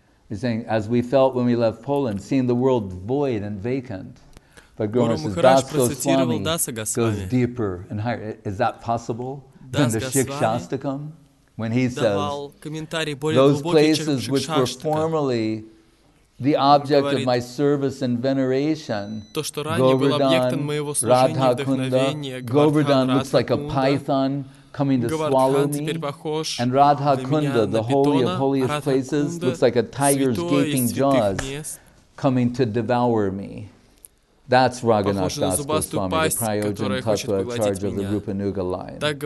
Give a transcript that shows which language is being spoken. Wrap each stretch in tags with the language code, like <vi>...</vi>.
<en>He's saying, as we felt when we left Poland, seeing the world void and vacant. But Guru Maharaj</en> <ru>процитировал Даса Госвами.</ru> <en>Goes deeper and higher. Is that possible? Than the Шикшастакам? When he says, those places which were formerly the object of my service and veneration,</en> <ru>то, что ранее был объектом моего служения и вдохновения, Govardhan</ru> <en>looks like a python coming to swallow me. And Radha Kunda, the holy of holiest places, looks like a tiger's gaping jaws coming to devour me. That's Raghunath Das Goswami, the Prayojan Tattva in charge of the Rupa Nuga line.</en>